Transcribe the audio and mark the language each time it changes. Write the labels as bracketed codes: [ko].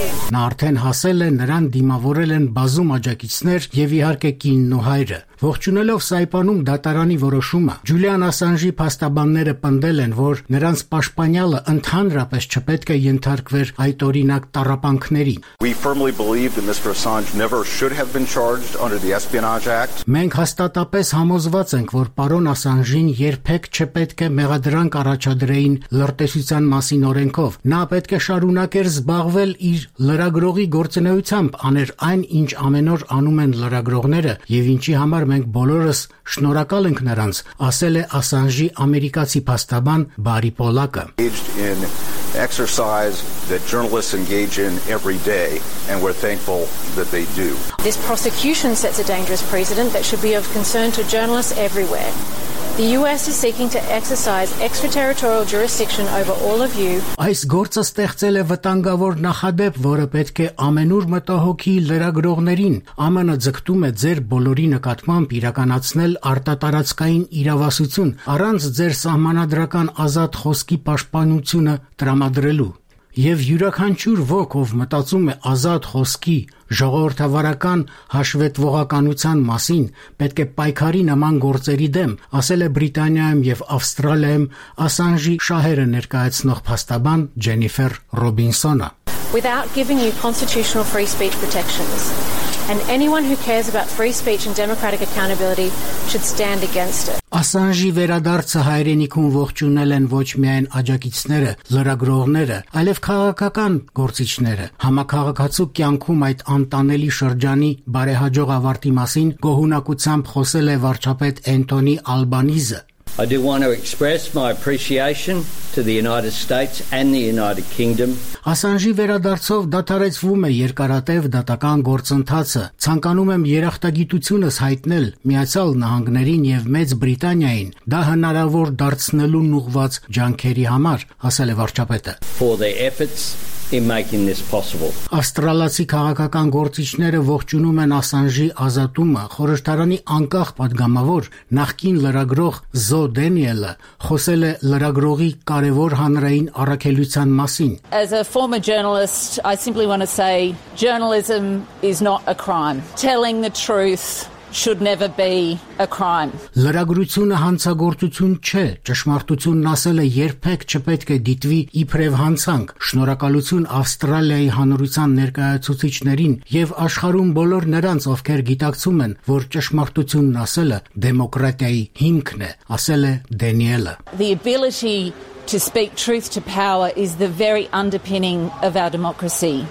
[hy] Նա արդեն հասել է, նրան դիմավորել են բազում աջակիցներ և իհարկե կինն ու հայրը։ Ողջունելով Սայպանում դատարանի որոշումը, Ջուլիան Ասանժի փաստաբանները պնդել են, որ նրանց պաշտպանյալը ընդհանրապես չպետք է ենթարկվեր այդ օրինակ տառապանքներին։ [en] We firmly believe that Mr. Assange never should have been charged under the Espionage Act. [hy] Մենք հաստատապես համոզված ենք, որ պարոն Ասանժին երբեք չպետք է մեղադրանք առաջադրեին լրտեսության մասին օրենքով։ Նա պետք է շարունակեր զբաղվել իր լրագրողի գործունեությամբ, աներ այն, ինչ ամենօր անում են լրագրողները, եւ ինչի համար մենք բոլորս շնորհակալ ենք նրանց, ասել է Ասանժի ամերիկացի փաստաբան Բարի Պոլակը։ [en] Exercise that journalists engage in every day, and we're thankful that they do. This prosecution sets a dangerous precedent that should be of concern to journalists everywhere. The US is seeking to exercise extraterritorial jurisdiction over all of you. [hy] Այս գործը ստեղծել է վտանգավոր նախադեպ, որը պետք է ամենուր մտահոգի լրագրողներին, ԱՄՆ ձգտում է ձեր բոլորի նկատմամբ իրականացնել արտատարածքային իրավասություն առանց ձեր սահմանադրական ազատ խոսքի պաշտպանությունը տրամադրելու, եւ յուրաքանչյուր ոք, ով մտածում է ազատ խոսքի ժողովրդավարական հաշվետվողականության մասին, պետք է պայքարի նման գործերի դեմ, ասել է Բրիտանիայում եւ Ավստրալիայում Ասանժի շահերը ներկայացնող փաստաբան Ջենիֆեր Ռոբինսոնը։ [en] Without giving you constitutional free speech protections, and anyone who cares about free speech and democratic accountability should stand against it. [hy] Ասանժի վերադարձը հայրենիքում ողջունել են ոչ միայն աջակիցները, լրագրողները, այլև քաղաքական գործիչները։ Համակարգացու կյանքում այդ անտանելի շրջանի բարեհաջող ավարտի մասին գոհունակությամբ խոսել է վարչապետ Էնթոնի Ալբանիզը։ [en] I do want to express my appreciation to the United States and the United Kingdom. [hy] Ասանժի վերադարձով դադարեցվում է երկարատև դատական գործընթացը։ Ցանկանում եմ երախտագիտությունս հայտնել Միացյալ Նահանգներին եւ Մեծ Բրիտանիային դա հնարավոր դարձնելուն ուղված ջանքերի համար, ասել է վարչապետը։ [en] For their efforts in making this possible. [hy] Ավստրալացի քաղաքական գործիչները ողջունում են Ասանժի ազատումը, խորհրդարանի անկախ պատգամավոր նախկին լրագրող Զո Դենիելը խոսել է լրագրողի կարևոր հանրային առաքելության մասին. [en] As a former journalist, I simply want to say journalism is not a crime. Telling the truth should never be a crime. [hy] Լրագրությունը հանցագործություն չէ, ճշմարտությունն ասել է երբեք չպետք է դիտվի իբրև հանցանք։ Շնորհակալություն Ավստրալիայի հանրության ներկայացուցիչներին եւ աշխարհում բոլոր նրանց, ովքեր գիտակցում են, որ ճշմարտությունն ասելը դեմոկրատիայի հիմքն է, ասել է Դենիելը։ [en] The ability to speak truth to power is the very underpinning of our democracy.